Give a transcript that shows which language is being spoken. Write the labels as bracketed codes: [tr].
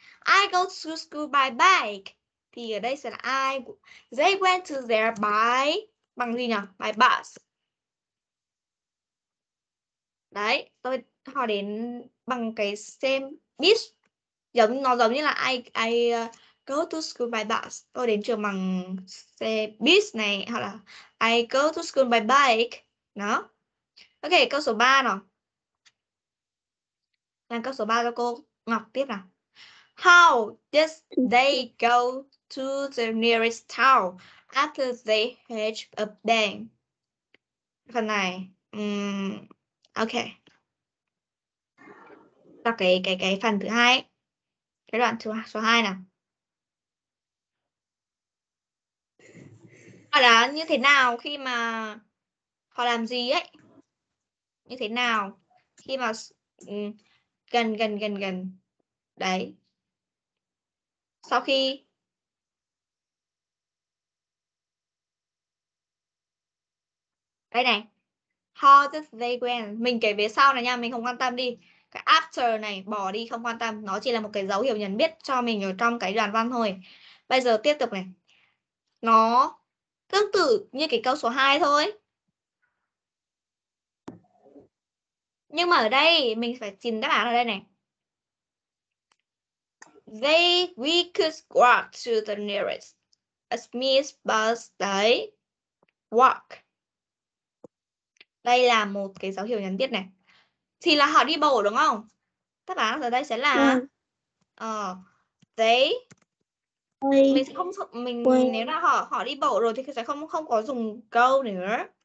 [en] I go to school by bike. [vi] Thì ở đây sẽ là ai? [en] They went to there by [vi] bằng gì nhỉ? [en] By bus. [vi] Đấy, tôi hỏi đến bằng cái xem bus. Giống nó giống như là [en] I go to school by bus. [vi] Tôi đến trường bằng xe bus này, hoặc là [en] I go to school by bike. [vi] Đó. Ok, câu số 3 nào. Làm câu số 3 cho cô Ngọc tiếp nào. [en] How does they go to the nearest town after they hatch a bang? [vi] Phần này. Ok. Đọc cái phần thứ hai. Cái đoạn số 2 nào. Họ là như thế nào khi mà họ làm gì ấy? Như thế nào khi mà gần đấy, sau khi đây này, [en] how did they went, [vi] mình kể về sau này nha, mình không quan tâm đi, cái after này bỏ đi, không quan tâm, nó chỉ là một cái dấu hiệu nhận biết cho mình ở trong cái đoạn văn thôi. Bây giờ tiếp tục này, nó tương tự như cái câu số 2 thôi. Nhưng mà ở đây mình phải tìm đáp án ở đây này. [en] We could walk to the nearest a Smith bus. [vi] Đấy. Walk. Đây là một cái dấu hiệu nhận biết này. Thì là họ đi bộ đúng không? Đáp án ở đây sẽ là mình sẽ không mình nếu là họ đi bộ rồi thì sẽ không có dùng go nữa.